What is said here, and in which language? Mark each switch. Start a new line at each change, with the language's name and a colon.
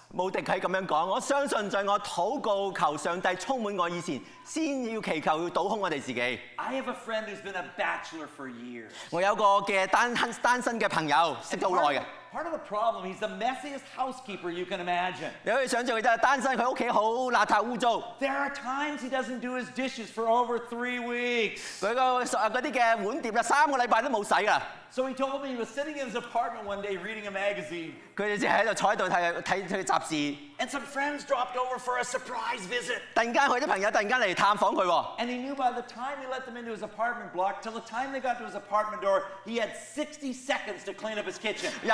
Chinese: 穆迪他這樣說，我相信在我禱告求上帝充滿我以前，先要祈求要倒空我們自己。
English: I have a friend who's been a bachelor for years.
Chinese: 我有一個單身的朋友，認識很久的。
English: Part of the problem, he's the messiest housekeeper you can imagine.
Chinese: 你可以想像他單身，他家裡很邋遢污糟。
English: There are times he doesn't do his dishes for over 3 weeks.
Chinese: 那些碗碟3個星期都沒有洗的。
English: So he told me he was sitting in his apartment one day reading a magazine.
Chinese: 他就在那裡坐在那裡看雜誌。
English: And some friends dropped over for a surprise visit.
Chinese: 突然間他的朋友突然間來探訪他。
English: And he knew by the time he let them into his apartment block, till the time they got to his apartment door, he had 60 seconds to clean up his kitchen.